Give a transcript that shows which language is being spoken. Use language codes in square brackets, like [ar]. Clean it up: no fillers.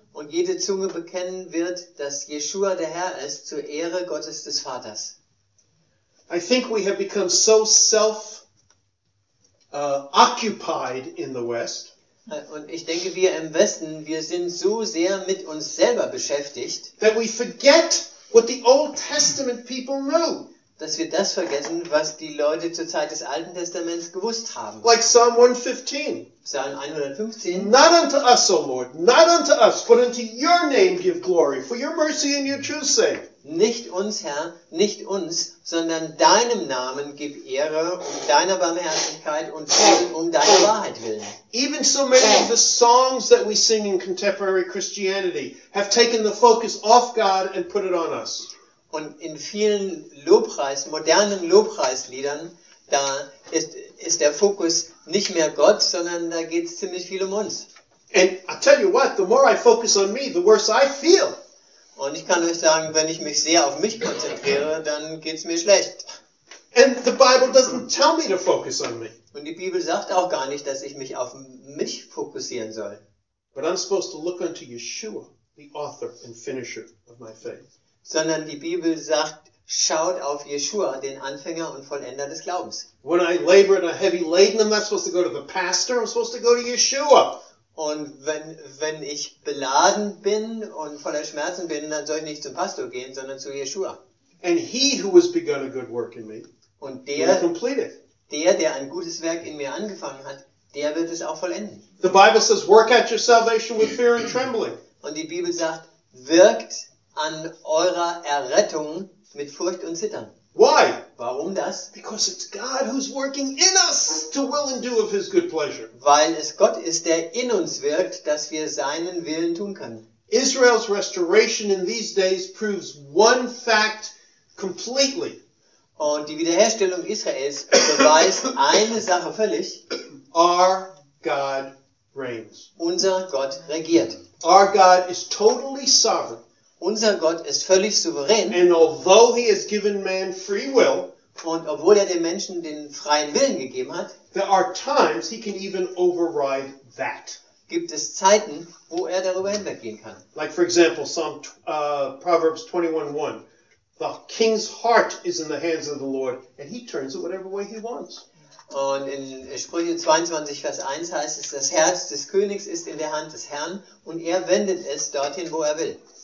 [de] Und jede Zunge bekennen wird, dass Yeshua der Herr ist, zur Ehre Gottes des Vaters. [en] I think we have become so self-occupied in the West. [de] Und ich denke, wir im Westen, wir sind so sehr mit uns selber beschäftigt, [en] that we forget what the Old Testament people knew. [de] Dass wir das vergessen, was die Leute zur Zeit des Alten Testaments gewusst haben. [en] Like Psalm 115. [de] Psalm 115. [en] Not unto us, O Lord, not unto us, but unto your name give glory, for your mercy and your truth's sake. [de] Nicht uns, Herr, nicht uns, sondern deinem Namen gib Ehre um deiner Barmherzigkeit und Frieden um deiner Wahrheit willen. [en] Even so many of the songs that we sing in contemporary Christianity have taken the focus off God and put it on us. [de] Und in vielen Lobpreis, modernen Lobpreisliedern, da ist der Fokus nicht mehr Gott, sondern da geht es ziemlich viel um uns. [en] And I tell you what, the more I focus on me, the worse I feel. [de] Und ich kann euch sagen, wenn ich mich sehr auf mich konzentriere, dann geht's mir schlecht. [en] And the Bible doesn't tell me to focus on me. [de] Und die Bibel sagt auch gar nicht, dass ich mich auf mich fokussieren soll. [en] But I'm supposed to look unto Yeshua, the author and finisher of my faith. [de] Sondern die Bibel sagt, schaut auf Yeshua, den Anfänger und Vollender des Glaubens. [en] When I labor in a heavy laden, I'm not supposed to go to the pastor, I'm supposed to go to Yeshua. [de] Und wenn ich beladen bin und voller Schmerzen bin, dann soll ich nicht zum Pastor gehen, sondern zu Yeshua. [en] And he who has begun a good work in me, [de] und der, [en] will complete it. [de] Der ein gutes Werk in mir angefangen hat, der wird es auch vollenden. [en] The Bible says, work out your salvation with fear and trembling. [de] Und die Bibel sagt, wirkt an eurer Errettung mit Furcht und Zittern. [en] Why? [de] Warum das? [en] Because it's God who's working in us to will and do of his good pleasure. [de] Weil es Gott ist, der in uns wirkt, dass wir seinen Willen tun können. [en] Israel's restoration in these days proves one fact completely. [de] Und die Wiederherstellung Israels beweist eine Sache völlig. [en] Our God reigns. [de] Unser Gott regiert. [en] Our God is totally sovereign. [de] Unser Gott ist völlig souverän. [en] And although he has given man free will, [de] und obwohl er den Menschen den freien Willen gegeben hat, [en] there are times he can even override that. [de] Gibt es Zeiten, wo er darüber hinweggehen kann. [en] Like for example, Proverbs 21:1. The king's heart is in the hands of the Lord, and he turns it whatever way he wants. [de] Und in Sprüche 22, Vers 1 heißt es, das Herz des Königs ist in der Hand des Herrn, und er wendet es dorthin, wo er will.